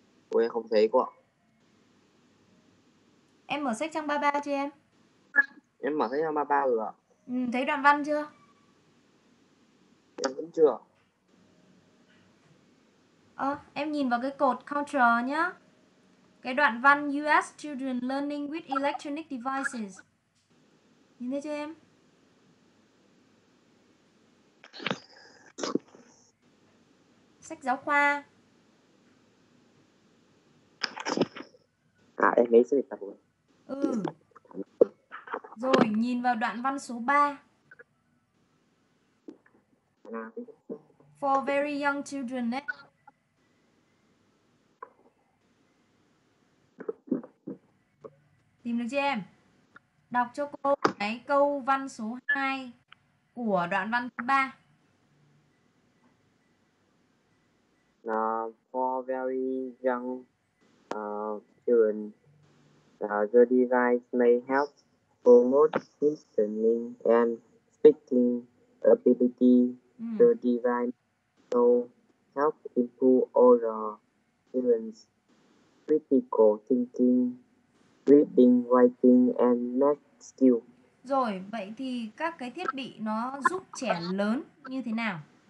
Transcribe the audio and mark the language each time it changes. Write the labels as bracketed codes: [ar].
[vi] Cô em không thấy cô ạ. Em mở sách trang 33 cho em. Em mở sách trang 33 rồi ạ. Ừ, thấy đoạn văn chưa? Em vẫn chưa. Ờ, em nhìn vào cái cột control nhá. Cái đoạn văn [en] US children learning with electronic devices. [vi] Nhìn thấy cho em. Sách giáo khoa. À em lấy sách tập rồi. Ừ. Rồi nhìn vào đoạn văn số 3. [en] For very young children [vi] ấy. Tìm được chưa em? Đọc cho cô cái câu văn số 2 của đoạn văn số 3. [en] For very young children, the device may help promote listening and speaking ability. The device also help improve older children's critical thinking, reading, writing and math skill. [vi] Rồi, vậy thì các cái thiết bị nó giúp trẻ lớn như thế nào?